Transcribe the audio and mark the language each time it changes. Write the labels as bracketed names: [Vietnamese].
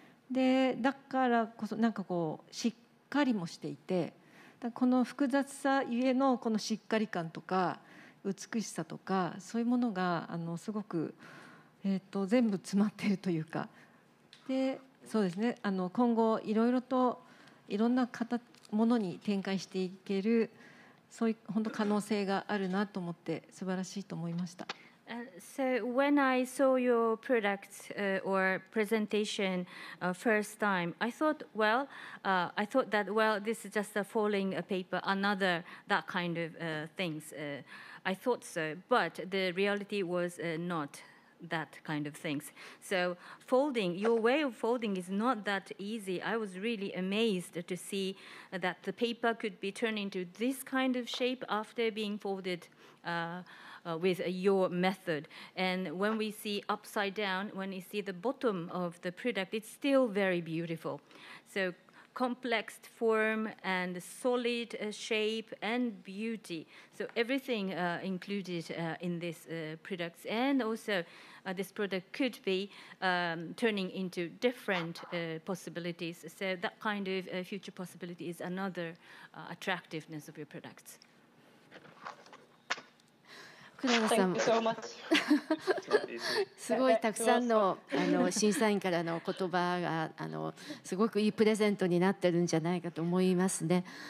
[Japanese] でだからこそなんかこうしっかりもしていてこの複雑さゆえのこのしっかり感とか美しさとかそういうものがあのすごく全部詰まっているというか、でそうですね、あの今後いろいろといろんな形ものに展開していけるそういう本当可能性があるなと思って素晴らしいと思いました。 [English] So when I saw your product or presentation first time, I thought, well, I thought that, well, this is just a folding paper, another that kind of things. I thought so, but the reality was not. That kind of things. So folding, your way of folding is not that easy. I was really amazed to see that the paper could be turned into this kind of shape after being folded with your method. And when we see upside down, when you see the bottom of the product, it's still very beautiful. So complex form and solid shape and beauty. So everything included in this product. And alsoThis product could be turning into different possibilities. So that kind of future possibility is another attractiveness of your products. Thank you so much. [Japanese] すごいたくさん の, あの審査員からの言葉があのすごくいいプレゼントになってるんじゃないかと思いますね。